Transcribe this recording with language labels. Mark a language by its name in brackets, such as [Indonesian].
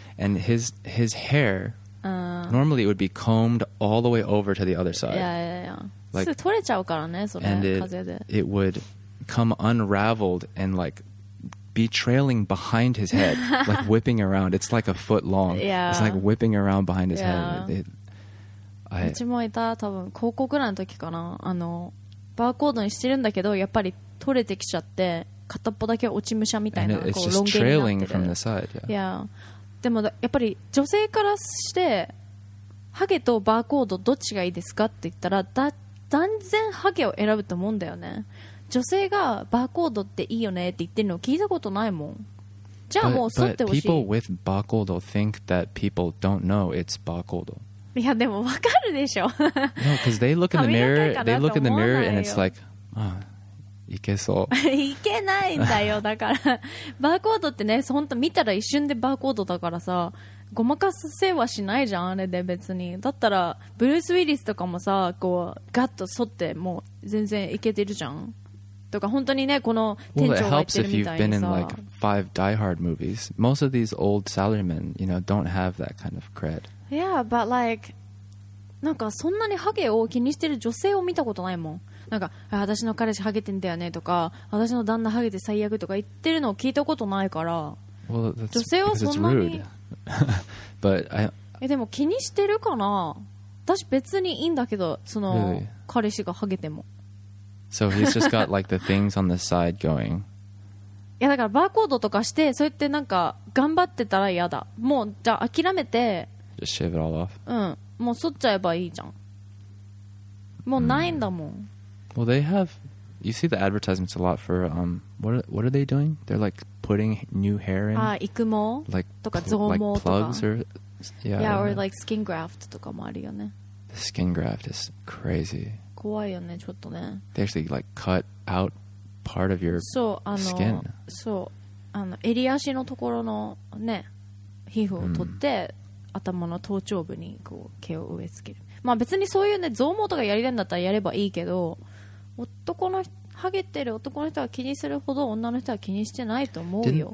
[English] And his hair... Normally it would be combed all the way over to the other side. It would come unraveled and like be trailing behind his head, like whipping around. It's like a foot long. Yeah. It's like whipping around behind his head. [Japanese] うちもいた、多分高校ぐらいの時かな。バーコードにしてるんだけど、やっぱり取れてきちゃって、片っぽだけ落ち武者みたいな、こうロングになってる。 [English] Trailing from the side. Yeah. Yeah. [Japanese] でもやっぱり女性からしてハゲとバーコードどっちがいいですかって言ったら断然ハゲを選ぶと思うんだよね。女性がバーコードっていいよねって言ってるの聞いたことないもん。じゃあもう剃ってほしい。 [English] But people with barcode think that people don't know it's barcode. [Japanese] いやでもわかるでしょ。 [English] No, because they look in the mirror. They look in the mirror and it's like、 [Japanese] いけそういけないんだよ。だからバーコードってね、本当見たら一瞬でバーコードだからさ、ごまかせはしないじゃん。あれで別にだったらブルース・ウィリスとかもさ、こうガッと剃ってもう全然いけてるじゃんとか。本当にね、この店長が言ってるみたいにさ、 [English] Well, it helps if you've been in like 5 Die Hard movies. Most of these old salarymen, you know, don't have that kind of cred. Yeah, but like [Japanese] なんかそんなにハゲを気にしてる女性を見たことないもん。なんか私の彼氏ハゲてんだよねとか、私の旦那ハゲて最悪とか言ってるのを聞いたことないから。 [English] Well, that's [Japanese] 女性はそんなに [English] But I... [Japanese] でも気にしてるかな。私別にいいんだけど、その、 [English] really? [Japanese] 彼氏がハゲても。 [English] So he's just got like the things on the side going. [Japanese] いやだからバーコードとかして、そうやってなんか頑張ってたら嫌だ。もうじゃあ諦めて、 [English] Just shave it all off. [Japanese] うん、もう剃っちゃえばいいじゃん。もうないんだもん。 [English] Well, they have. You see the advertisements a lot for what are they doing? They're like putting new hair in. [Japanese] Ah, 育毛. [English] Like [Japanese] とか増毛とか. [English] Like plugs or yeah. Yeah, or like skin graft [Japanese] とかもあるよね. [English] The skin graft is crazy. [Japanese] 怖いよね、ちょっとね. [English] They actually like cut out part of your [Japanese] そう、 [English] skin. [Japanese] そう、襟足のところのね、皮膚を取って、頭の頭頂部にこう毛を植え付ける。まあ別にそういうね、増毛とかやりたいんだったらやればいいけど、男のハゲてる男の人は気にするほど女の人は気にしてないと思うよ。